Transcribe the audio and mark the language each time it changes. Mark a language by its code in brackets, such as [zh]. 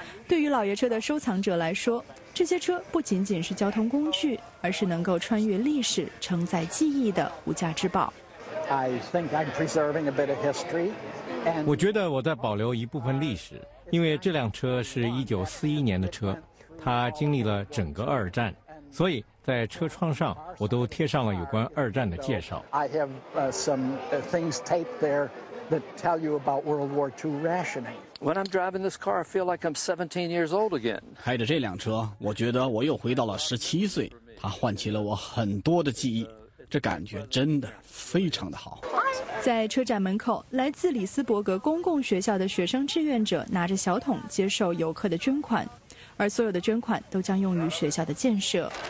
[zh] 对于老爷车的收藏者来说，这些车不仅仅是交通工具，而是能够穿越历史、承载记忆的无价之宝。我觉得我在保留一部分历史，因为这辆车是1941年的车，它经历了整个二战，所以在车窗上我都贴上了有关二战的介绍。 [en] I have some things taped there that tell you about World War II rationing. When I'm driving this car, I feel like I'm 17 years old again. [zh] 开着这辆车，我觉得我又回到了17岁，它唤起了我很多的记忆，这感觉真的非常的好。在车展门口，来自里斯伯格公共学校的学生志愿者拿着小桶接受游客的捐款，而所有的捐款都将用于学校的建设。